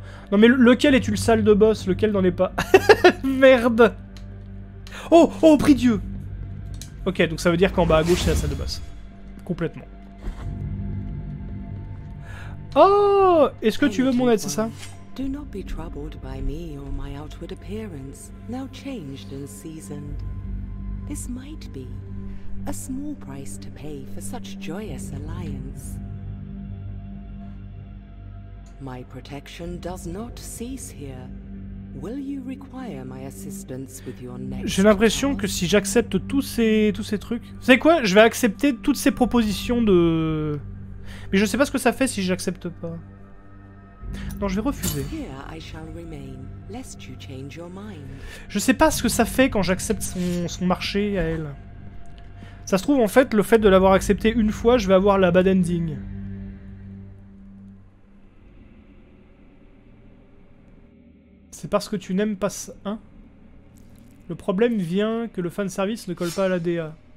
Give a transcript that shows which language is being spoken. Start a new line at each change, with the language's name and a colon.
French: Non, mais lequel est une salle de boss? Lequel n'en est pas? Merde! Oh! Oh, prie Dieu! Ok, donc ça veut dire qu'en bas à gauche, c'est la salle de boss. Complètement. Oh! Est-ce que tu veux mon aide, c'est ça?
English: Do not be troubled by me or my outward appearance, now changed and seasoned. This might be a small price to pay for such joyous alliance. My protection does not cease here. Will you require my assistance with your next?
French: J'ai l'impression que si j'accepte tous ces trucs, vous savez quoi, je vais accepter toutes ces propositions de. Mais je sais pas ce que ça fait si j'accepte pas. Non, je vais refuser.
English: Here I shall remain, lest you change your mind.
French: Je sais pas ce que ça fait quand j'accepte son marché à elle. Ça se trouve, en fait, le fait de l'avoir accepté une fois, je vais avoir la bad ending. C'est parce que tu n'aimes pas ça, hein ? Le problème vient que le fanservice ne colle pas à la DA.